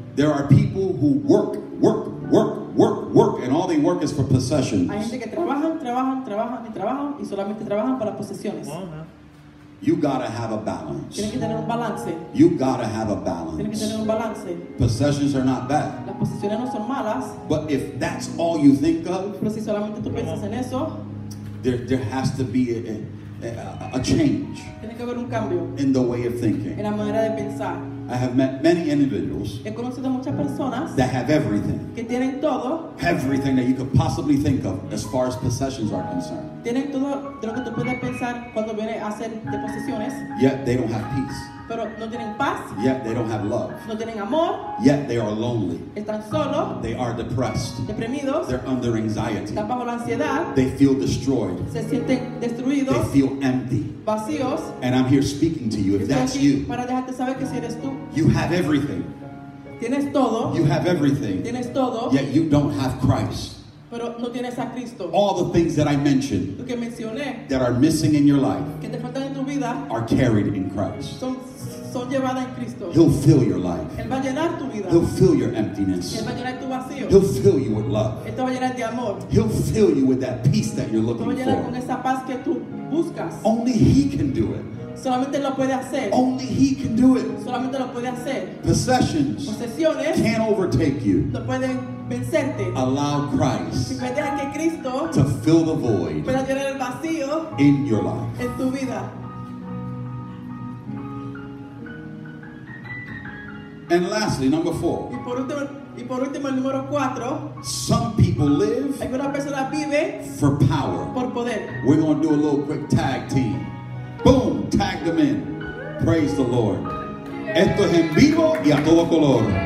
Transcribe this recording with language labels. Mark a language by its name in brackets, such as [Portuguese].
[English] There are people who work, and all they work is for possessions. [Spanish] Hay gente que trabajan y solamente trabajan para posesiones. [English] You gotta have a balance. [Spanish] Tienes que tener un balance. [English] You gotta have a balance. [Spanish] Tienes que tener un balance. [English] Possessions are not bad. [Spanish] Las posesiones no son malas. [English] But if that's all you think of, [Spanish] pero si solamente tú piensas en eso, [English] there has to be a change. [Spanish] Tiene que haber un cambio [English] in the way of thinking. [Spanish] En la manera de pensar. [English] I have met many individuals. [Spanish] He conocido muchas personas [English] that have everything. [Spanish] Que tienen todo. [English] Everything that you could possibly think of as far as possessions are concerned. [Spanish] Tienen todo de lo que tú puedes pensar cuando viene a ser de posesiones. [English] Yet they don't have peace. [Spanish] Pero no tienen paz. [English] Yet they don't have love. [Spanish] No tienen amor. [English] Yet they are lonely. [Spanish] Están solo. [English] They are depressed. [Spanish] Deprimidos. [English] They're under anxiety. [Spanish] Están bajo la ansiedad. [English] They feel destroyed. [Spanish] Se sienten destruidos. [English] They feel empty. [Spanish] Vacíos. [English] And I'm here speaking to you if that's you. [Spanish] Para dejarte saber que si eres tú. [English] You have everything. [Spanish] Tienes todo. [English] You have everything. [Spanish] Tienes todo. [English] Yet you don't have Christ. [Spanish] Pero no tienes a Cristo. [English] All the things that I mentioned, [Spanish] lo que mencioné, [English] that are missing in your life, [Spanish] que te faltan en tu vida, [English] are carried in Christ. [Spanish] Son llevadas en Cristo. [English] He'll fill your life. [Spanish] Él va a llenar tu vida. [English] He'll fill your emptiness. [Spanish] Él va a llenar tu vacío. [English] He'll fill you with love. [Spanish] Él te va a llenar de amor. [English] He'll fill you with that peace that you're looking [Spanish] for. Él te va a llenar con esa paz que tú buscas. [English] Only He can do it. [Spanish] Solamente lo puede hacer. [English] Only He can do it. [Spanish] Solamente lo puede hacer. [English] Possessions, [Spanish] posesiones, [English] can't overtake you. [Spanish] No pueden vencerte. [English] Allow Christ, [Spanish] si me deja que Cristo, [English] to fill the void, [Spanish] para llenar el vacío, [English] in your life, [Spanish] en tu vida. [English] And lastly, number four. [Spanish] Y por último, el número cuatro. [English] Some people live, [Spanish] algunas personas viven, [English] for power, [Spanish] por poder. [English] We're gonna do a little quick tag team. Boom, tag them in. Praise the Lord. [Spanish] Esto es en vivo y a todo color.